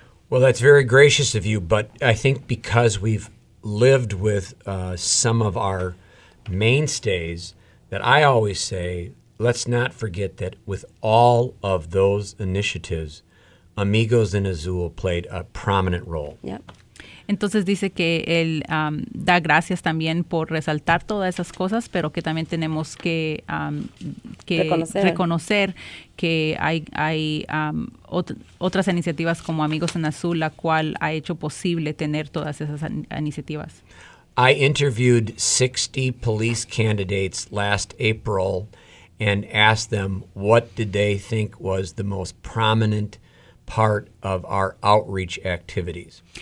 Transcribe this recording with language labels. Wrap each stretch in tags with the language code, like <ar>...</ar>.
<en>Well, that's very gracious of you, but I think because we've lived with some of our mainstays, that I always say, let's not forget that with all of those initiatives, Amigos in Azul played a prominent role. Yep.</en> <es>Entonces dice que él da gracias también por resaltar todas esas cosas, pero que también tenemos que reconocer que hay otras iniciativas como Amigos en Azul, la cual ha hecho posible tener todas esas iniciativas.</es> <en>I interviewed 60 police candidates last April and asked them what did they think was the most prominent part of our outreach activities.</en>